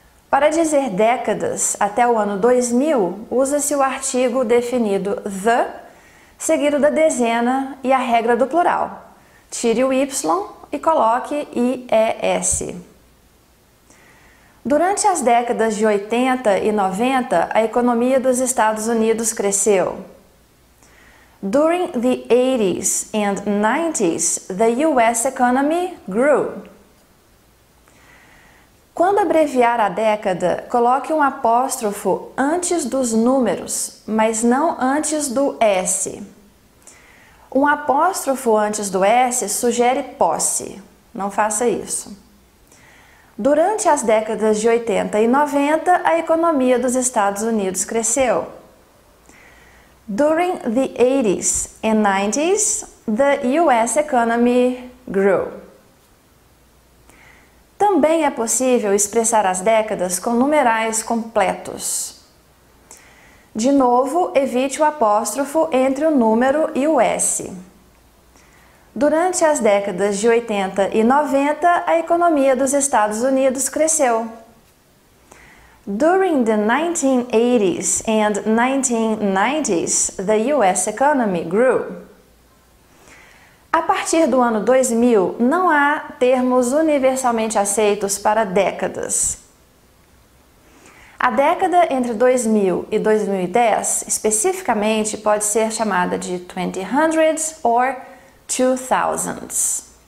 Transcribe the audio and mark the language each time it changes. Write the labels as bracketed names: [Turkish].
[Portuguese] Para dizer décadas até o ano 2000, usa-se o artigo definido the, seguido da dezena e a regra do plural. Tire o y e coloque ies. Durante as décadas de 80 e 90, a economia dos Estados Unidos cresceu. [English] During the 80s and 90s, the US economy grew. [Portuguese] Quando abreviar a década, coloque um apóstrofo antes dos números, mas não antes do S. Um apóstrofo antes do S sugere posse. Não faça isso. Durante as décadas de 80 e 90, a economia dos Estados Unidos cresceu. [English] During the 80s and 90s, the US economy grew. [Portuguese] Também é possível expressar as décadas com numerais completos. De novo, evite o apóstrofo entre o número e o S. Durante as décadas de 80 e 90, a economia dos Estados Unidos cresceu. [English] During the 1980s and 1990s, the US economy grew. [Portuguese] A partir do ano 2000, não há termos universalmente aceitos para décadas. A década entre 2000 e 2010, especificamente, pode ser chamada de 2000s or 2000s.